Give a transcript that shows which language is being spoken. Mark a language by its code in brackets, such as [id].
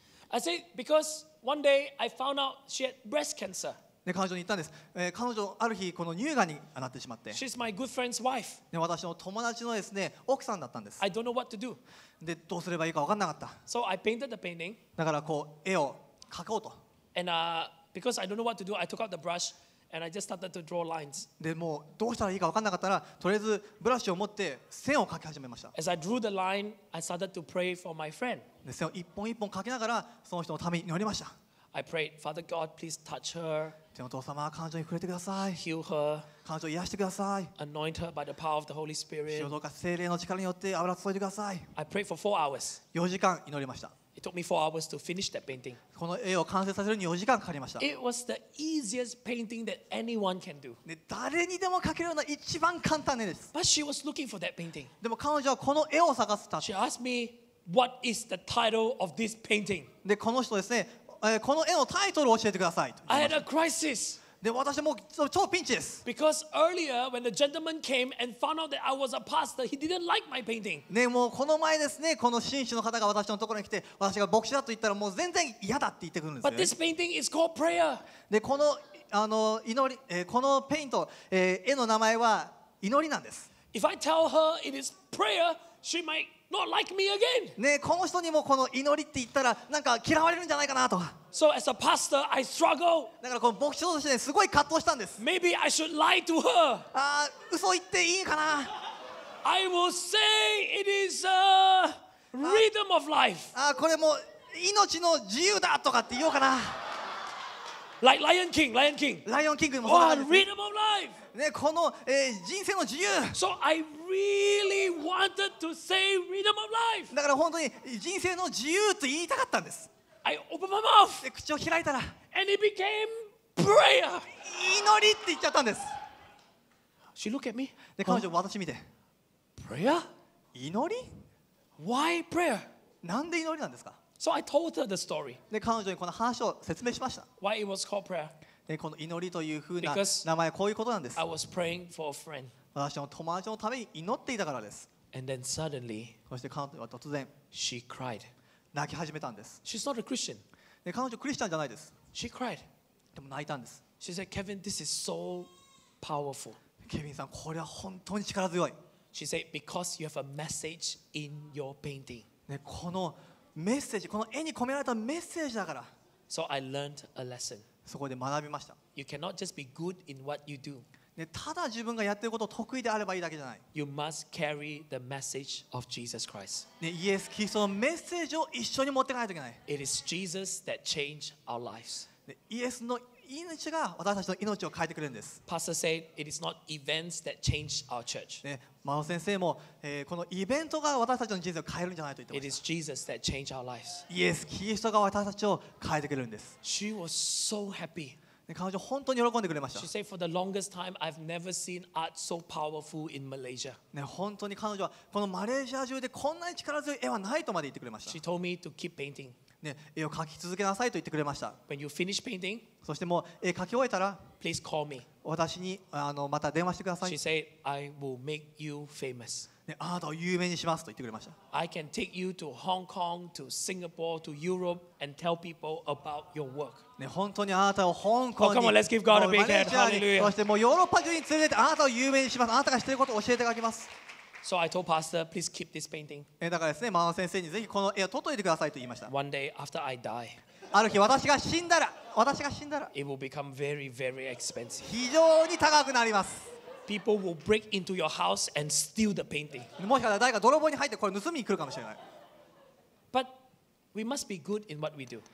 [en] I said, "Because one day I found out she had breast cancer." [ja] で彼女に言ったんです、彼女ある日この乳がんになってしまって [en] She's my good friend's wife. [ja] で私の友達のですね奥さんだったんです [en] I don't know what to do. [ja] でどうすればいいか分かんなかった [en] So I painted the painting. [ja] だからこう絵を描こうと [en] And, because I don't know what to do, I took out the brush and I just started to draw lines. [ja] でもうどうしたらいいか分かんなかったらとりあえずブラシを持って線を描き始めました [en] As I drew the line, I started to pray for my friend. [ja] で線を一本一本描きながらその人のために祈りました [en] I prayed, Father God, please touch her. [ja] でお父様、彼女に触れてください。 [en] Heal her. [ja] 彼女を癒してください。 [en] Anoint her by the power of the Holy Spirit. [ja] 主よ、どうか聖霊の力によって油を注いでください。 [en] I prayed for 4 hours. [ja] 4時間祈りました。 [en] It took me 4 hours to finish that painting. [ja] この絵を完成させるに4時間かかりました。 [en] It was the easiest painting that anyone can do. [ja] ね、誰にでも描けるような一番簡単な絵です。 [en] But she was looking for that painting. [ja] でも彼女はこの絵を探してた。 [en] She asked me, "What is the title of this painting?" [ja] で、この人ですね。この絵のタイトルを教えてください。 [en] I had a crisis. [ja] で、私もう超ピンチです。 [en] Because earlier, when the gentleman came and found out that I was a pastor, he didn't like my painting. [ja] ね、もうこの前ですね、この紳士の方が私のところに来て、私が牧師だと言ったら、もう全然嫌だって言ってくるんですよ。 [en] But this painting is called prayer. [ja] で、この、祈り、このペイント、絵の名前は祈りなんです。 [en] If I tell her it is prayer, she might Not like me again. [ja] ね、この人にもこの祈りって言ったらなんか嫌われるんじゃないかなと。 [en] So as a pastor, I struggle. [ja] だからこの牧師としてすごい葛藤したんです。 [en] Maybe I should lie to her. [ja] あ、嘘言っていいかな。 [en] I will say it is a rhythm of life. [ja] あ、これも命の自由だとかって言おうかな。 [en] Like Lion King, Lion King. Lion King も。Oh, rhythm of life. [ja] ね、この、人生の自由。 [en] So I really wanted to say rhythm of life. [ja] だから本当に人生の自由と言いたかったんです。 [en] I opened my mouth. [ja] で、口を開いたら。 [en] And it became prayer. [ja] 祈りって言っちゃったんです。 [en] She looked at me. [ja] で、彼女、huh? 私見て。 [en] Prayer? [ja] 祈り？ [en] Why prayer? [ja] なんで祈りなんですか？ [en] So I told her the story. [ja] で、彼女にこの話を説明しました。 [en] Why it was called prayer? [ja] で、この祈りというふうな名前はこういうことなんです。 [en] Because I was praying for a friend. [ja] 私の友達のために祈っていたからです。 [en] And then suddenly, [ja] そして彼女は突然、 [en] she cried. [ja] 泣き始めたんです。 [en] She's not a Christian. [ja] で、彼女クリスチャンじゃないです。 [en] She cried. [ja] でも泣いたんです。 [en] She said, Kevin, this is so powerful. [ja] ケビンさん、これは本当に力強い。 [en] She said, because you have a message in your painting. [ja] ね、このメッセージ、この絵に込められたメッセージだから。 [en] So I learned a lesson. [ja] そこで学びました。 [en] You cannot just be good in what you do. [ja] ね、ただ自分がやってることを得意であればいいだけじゃない。 [en] You must carry the message of Jesus Christ. [ja] ね、イエス・キリストのメッセージを一緒に持っていかないといけない。 [en] It is Jesus that changed our lives. [ja] ね、イエスの命が私たちの命を変えてくれるんです。 [en] Pastor said it is not events that change our church. [ja] ね、マオ先生も、このイベントが私たちの人生を変えるんじゃないと言ってました。 [en] It is Jesus that change our lives. [ja] イエス、キリストが私たちを変えてくれるんです。 [en] She was so happy. [ja] ね、彼女本当に喜んでくれました。 [en] She said for the longest time I've never seen art so powerful in Malaysia. [ja] ね、本当に彼女はこのマレーシア中でこんなに力強い絵はないとまで言ってくれました。 [en] She told me to keep painting. [ja] ね、絵を描き続けなさいと言ってくれました。 [en] When you finish painting, [ja] そしてもう絵描き終えたら、 [en] Please call me. [ja] 私にまた電話してください。 [en] She said, I will make you famous. [ja] ね、あなたを有名にしますと言ってくれました。 [en] I can take you to Hong Kong, to Singapore, to Europe, and tell people about your work. [ja] ね、本当にあなたを香港に、 [en] Oh, come on, let's give God a big hand. Hallelujah. [ja] そしてもうヨーロッパ中に連れてあなたを有名にします。あなたがしていることを教えていただきます。 [en] So I told Pastor, please keep this painting. [ja] だからですね、マオ先生にぜひこの絵を取っておいてくださいと言いました。 [en] One day after I die, [ja] ある日私が死んだら、 [en] it will become very, very expensive. [ja] 非常に高くなります。 [en] People will break into your house and steal the painting. [ja] もしかしたら誰か泥棒に入ってこれ盗みに来るかもしれない。 [en] But we must be good in what we do.